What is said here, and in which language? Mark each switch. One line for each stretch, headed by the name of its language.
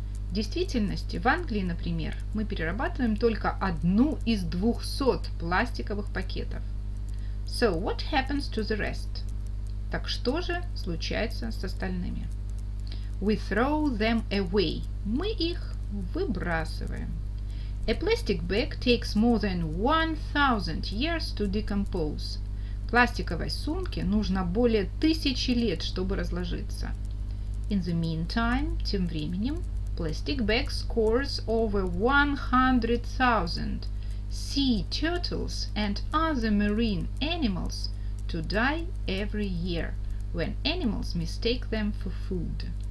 Russian: В действительности, в Англии, например, мы перерабатываем только 1 из 200 пластиковых пакетов.
English: So what happens to the rest?
Russian: Так что же случается с остальными?
English: We throw them away.
Russian: Мы их выбрасываем.
English: A plastic bag takes more than 1,000 years to decompose.
Russian: Пластиковой сумке нужно более 1000 лет, чтобы разложиться.
English: In the meantime,
Russian: тем временем,
English: plastic bag scores over 100,000 sea turtles and other marine animals to die every year when animals mistake them for food.